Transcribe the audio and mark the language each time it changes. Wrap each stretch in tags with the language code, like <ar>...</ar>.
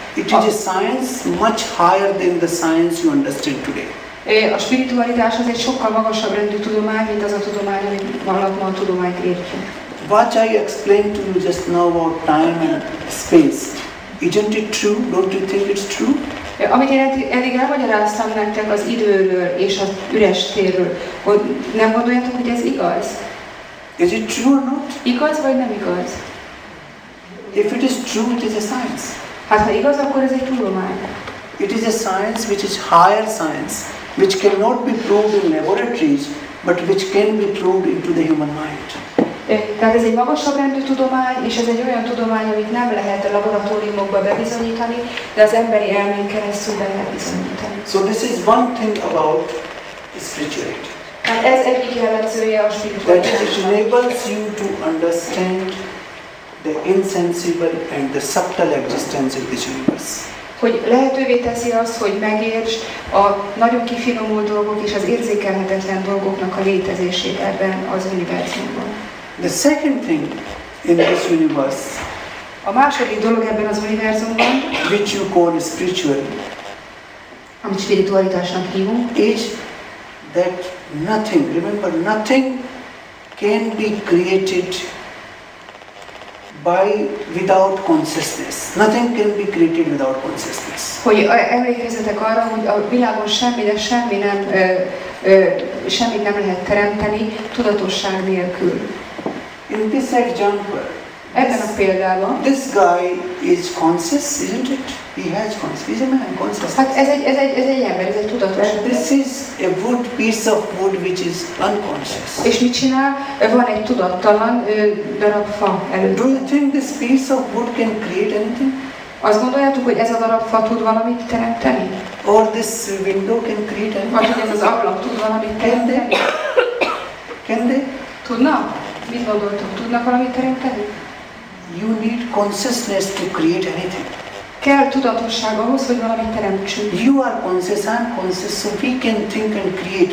<en>It is a science much higher than the science you understand today.</en> <hu>A spiritualitás az egy sokkal magasabb rendű tudomány, mint az a tudomány, amit valamit a tudományt értünk.</hu> <en>What I explained to you just now about time and space, isn't it true? Don't you think it's true?</en> <hu>Amit én eddig elmagyaráztam nektek az időről és az üres térről, hogy nem gondoljátok, hogy ez igaz?</hu> <en>Is it true or not?</en> <hu>Igaz vagy nem igaz?</hu> <en>If it is true, it is a science.</en> <hu>Hát ha igaz, akkor ez egy tudomány.</hu> <en>It is a science which is higher science, which cannot be proved in laboratories, but which can be proved into the human mind.</en> <hu>Tehát ez egy magasabb rendű tudomány, és ez egy olyan tudomány, amit nem lehet a laboratóriumokba bebizonyítani, de az emberi elmén keresztül be lehet bizonyítani.</hu> <en>So this is one thing about spirituality.</en> <hu>Hát ez egyik jellemzője a spirituálisnak.</hu> <en>That it enables you to understand the insensible and the subtle existence in this universe.</en> <hu>Hogy lehetővé teszi azt, hogy megértsd a nagyon kifinomult dolgok és az érzékelhetetlen dolgoknak a létezését ebben az univerzumban.</hu> <en>The second thing in this universe,</en> <hu>a második dolog ebben az univerzumban,</hu> <en>which you call spiritual,</en> <hu>amit spiritualitásnak hívunk,</hu> <en>is that nothing, remember, nothing can be created by without consciousness. Nothing can be created without consciousness.</en> <hu>Hogy emlékezzetek arra, hogy a világon semmi, de semmi nem, semmit nem lehet teremteni tudatosság nélkül.</hu> <en>In this example,</en> <hu>ebben a példában,</hu> <en>this guy is conscious, isn't it? He has conscious. He's a man, conscious.</en> <hu>Hát ez egy ember, ez egy tudatos ember.</hu> <en>And this is a wood piece of wood which is unconscious.</en> <hu>És mit csinál? Van egy tudattalan darab fa előtt.</hu> <en>Do you think this piece of wood can create anything?</en> <hu>Azt gondoljátok, hogy ez a darab fa tud valamit teremteni?</hu> <en>Or this window can create anything?</en> <hu>Vagy hogy ez az ablak tud valamit teremteni?</hu> <en>Can they?</en> <hu>Tudna? Mit gondoltok? Tudnak valamit teremteni?</hu> <en>You need consciousness to create anything.</en> <hu>Kell tudatosság ahhoz, hogy valamit teremtsünk.</hu> <en>You are conscious, I am conscious, so we can think and create.</en>